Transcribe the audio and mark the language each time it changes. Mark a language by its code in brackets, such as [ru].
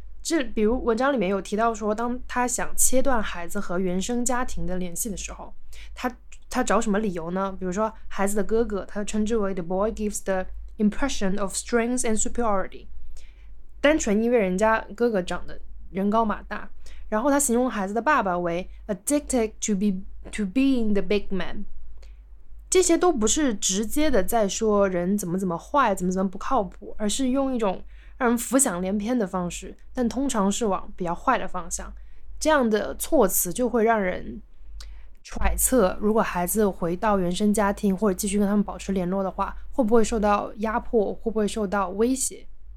[zh] 这比如文章里面有提到说，当他想切断孩子和原生家庭的联系的时候，他找什么理由呢？比如说孩子的哥哥，他称之为 [en] The boy gives the impression of strength and superiority， [zh] 单纯因为人家哥哥长得人高马大。然后他形容孩子的爸爸为 [en] addicted to being the big man。 [zh] 这些都不是直接的在说人怎么怎么坏怎么怎么不靠谱，而是用一种让人浮想联翩的方式，但通常是往比较坏的方向。这样的措辞就会让人揣测，如果孩子回到原生家庭或者继续跟他们保持联络的话，会不会受到压迫，会不会受到威胁。